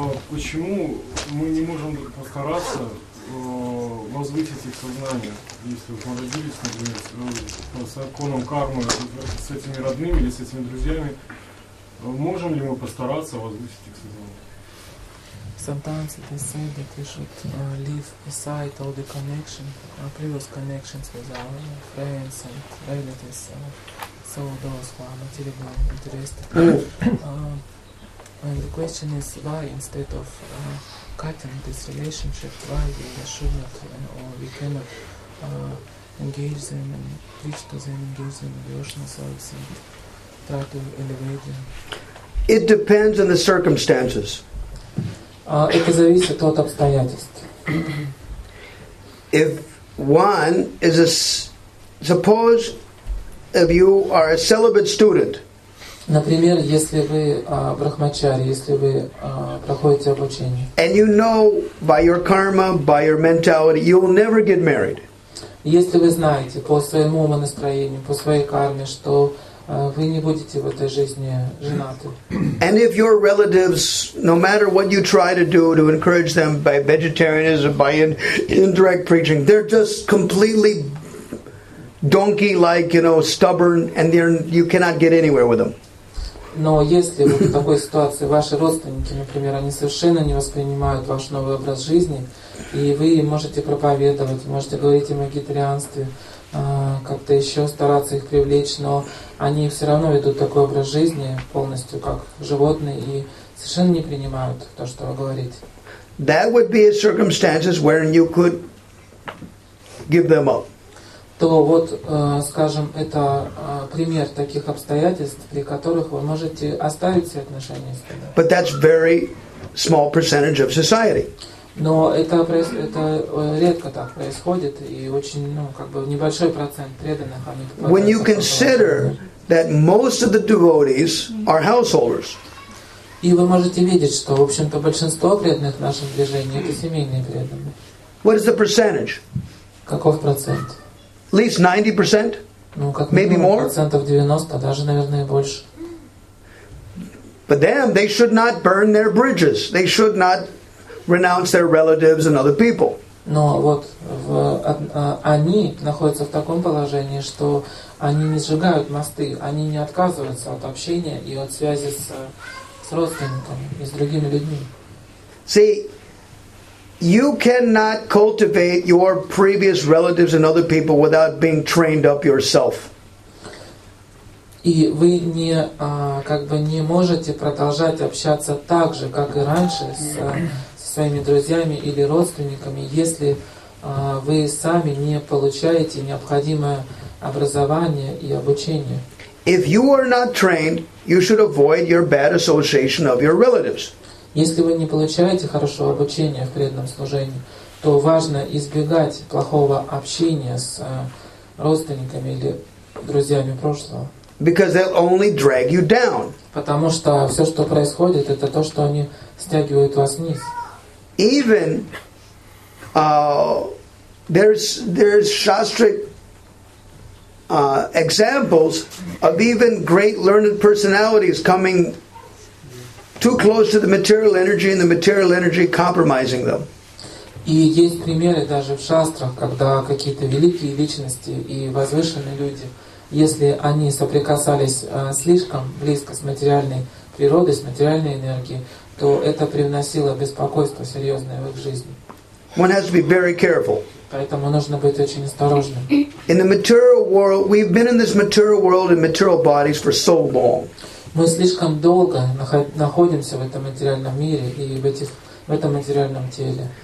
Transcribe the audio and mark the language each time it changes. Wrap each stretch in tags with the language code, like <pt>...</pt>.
<ru>Почему мы не можем постараться возвысить их сознание, если мы родились, например, с законом кармы, с этими родными или с этими друзьями? Можем ли мы постараться возвысить их сознание?</ru> <en>Sometimes it is said that we should leave aside all the connection, our previous connections with our friends and relatives, so those who are materially interested. And the question is why instead of cutting this relationship, why we should not or we cannot engage them and preach to them, engage them in devotional service and try to elevate them? It depends on the circumstances.</en> <ru>Это зависит от обстоятельств.</ru> <en>If one is a suppose if you are a celibate student.</en> <ru>Например, если вы брахмачари, если вы проходите обучение.</ru> <en>And you know by your karma, by your mentality, you will never get married.</en> <ru>Если вы знаете по своему настроению, по своей карме, что вы не будете в этой жизни женаты.</ru> <en>And if your relatives, no matter what you try to encourage them by vegetarianism, by indirect preaching, they're just completely donkey-like, you know, stubborn, and you cannot get anywhere with them.</en> <ru>Но если в такой ситуации ваши родственники, например, они совершенно не воспринимают ваш новый образ жизни, и вы можете проповедовать, можете говорить о вегетарианстве, как-то еще стараться их привлечь, но они все равно ведут такой образ жизни полностью как животные и совершенно не принимают то, что вы говорите.</ru> <en>That would be a circumstances where you could give them up.</en> <ru>То вот, скажем, это пример таких обстоятельств, при которых вы можете оставить все отношения с ними.</ru> <en>But that's very small percentage of society.</en> <ru>Но это редко так происходит, и очень, ну, как бы небольшой процент преданных, они попадают.</ru> <en>When you consider that most of the devotees are householders.</en> <ru>И вы можете видеть, что, в общем-то, большинство преданных в нашем движении — это семейные преданные.</ru> <en>What is the percentage?</en> <ru>Каков процент?</ru> <en>At least 90%?</en> <ru>Ну, как минимум, процентов 90, даже, наверное, больше.</ru> <en>But then they should not burn their bridges. They should not renounce their relatives and other people.</en> <ru>Но вот они находятся в таком положении, что они не сжигают мосты, они не отказываются от общения и от связи с родственниками и с другими людьми.</ru> <en>See, you cannot cultivate your previous relatives and other people without being trained up yourself.</en> <ru>И вы не как бы не можете продолжать общаться так же, как и раньше, своими друзьями или родственниками, если вы сами не получаете необходимое образование и обучение.</ru> <en>If you are not trained, you should avoid your bad association of your relatives.</en> <ru>Если вы не получаете хорошего обучения в преданном служении, то важно избегать плохого общения с родственниками или друзьями прошлого.</ru> <en>Because they'll only drag you down.</en> <ru>Потому что все, что происходит, это то, что они стягивают вас вниз.</ru> <en>Even there's shastric examples of even great learned personalities coming too close to the material energy and the material energy compromising them.</en> <ru>И есть примеры даже в шастрах, когда какие-то великие личности и возвышенные люди, если они соприкасались слишком близко с материальной природой, с материальной энергией, то это привносило беспокойство серьезное в их жизни.</ru> <en>One has to be very careful.</en> <ru>Поэтому нужно быть очень осторожным.</ru> <en>In the material world, we've been in this material world in material bodies for so long.</en> <ru>Мы слишком долго находимся в этом материальном мире и в этом материальном теле.</ru>